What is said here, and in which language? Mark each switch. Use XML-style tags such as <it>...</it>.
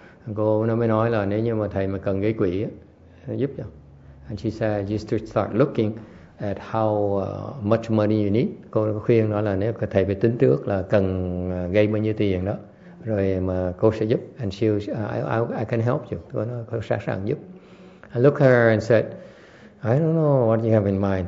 <vi>And cô nó mới nói là nếu như mà thầy mà cần gây quỹ, giúp cho.</vi> <en>And she said, you should start looking at how much money you need.</en> <vi>Cô khuyên nó là nếu thầy phải tính trước là cần gây bao nhiêu tiền đó, rồi mà cô sẽ giúp.</vi> <en>And she I can help you.</en> <vi>Cô nói, cô sẵn sàng giúp.</vi> <en>I looked at her and said, I don't know what you have in mind.</en>